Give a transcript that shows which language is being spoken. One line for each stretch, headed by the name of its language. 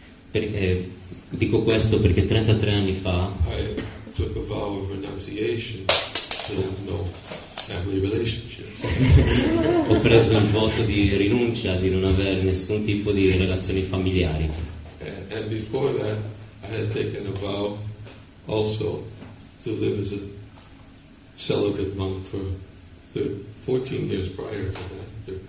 Italian: Perché, dico questo perché 33 anni fa
English: I took a vow of renunciation to have no family relationships.
Italian: Ho preso il voto di rinuncia di non avere nessun tipo di relazioni familiari.
English: And before that I had taken a vow also to live as a celibate monk for 14 years prior to that.